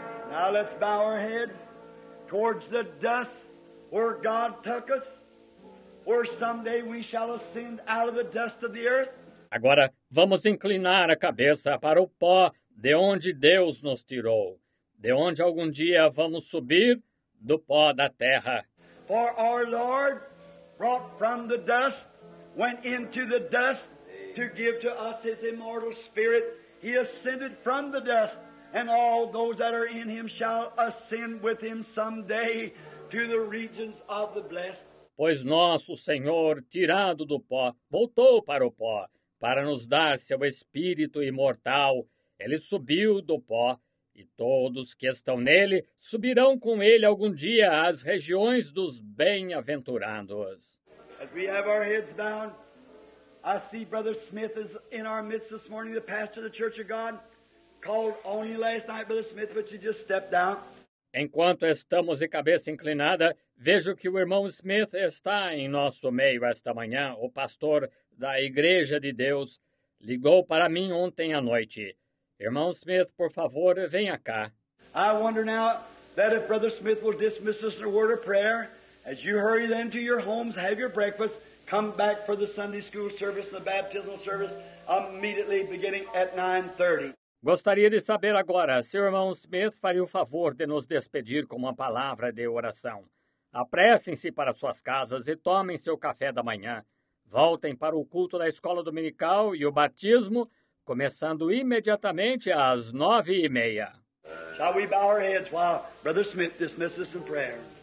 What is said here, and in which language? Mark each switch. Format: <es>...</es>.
<en>Now let's bow our head towards the dust where God took us, where someday we shall ascend out of the dust of the earth.</en> <pt>Agora vamos inclinar a cabeça para o pó de onde Deus nos tirou, de onde algum dia vamos subir do pó da terra.</pt> <en>For our Lord brought from the dust, went into the dust to give to us his immortal spirit. He ascended from the dust, and all those that are in him shall ascend with him someday to the regions of the blessed.</en> <pt>Pois nosso Senhor, tirado do pó, voltou para o pó, para nos dar seu espírito imortal. Ele subiu do pó, e todos que estão nele subirão com ele algum dia às regiões dos bem-aventurados.</pt> <en>As we have our heads bound, I see Brother Smith is in our midst this morning, the pastor of the Church of God. Called only last night, Brother Smith, but you just stepped out.</en> <pt>Enquanto estamos de cabeça inclinada, vejo que o irmão Smith está em nosso meio esta manhã. O pastor da Igreja de Deus ligou para mim ontem à noite. Irmão Smith, por favor, venha cá.</pt> <en>I wonder now that if Brother Smith will dismiss us in a word of prayer, as you hurry then to your homes, have your breakfast, come back for the Sunday school service, the baptismal service, immediately beginning at 9:30.</en> <pt>Gostaria de saber agora se o irmão Smith faria o favor de nos despedir com uma palavra de oração. Apressem-se para suas casas e tomem seu café da manhã. Voltem para o culto da escola dominical e o batismo, começando imediatamente às 9:30.</pt> <en>Shall we bow our heads while Brother Smith dismisses in prayer?</en>